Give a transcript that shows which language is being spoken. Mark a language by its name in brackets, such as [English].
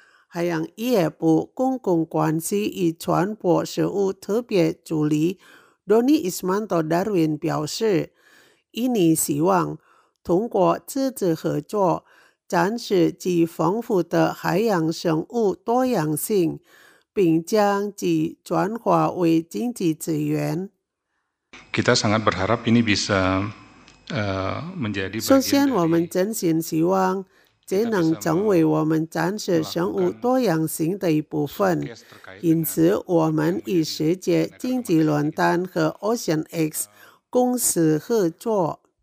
[Chinese] 海洋渔业部公共关系与传播事务特别助理 Donny Ismanto Darwin 表示，印尼希望通过这次合作展示其丰富的海洋生物多样性，并将其转化为经济资源。 [Indonesian] Kita sangat berharap ini bisa menjadi. [Chinese] 首先，我们真心希望这能成为我们展示生物多样性的一部分。因此，我们与世界经济论坛和 OceanX 公司合作。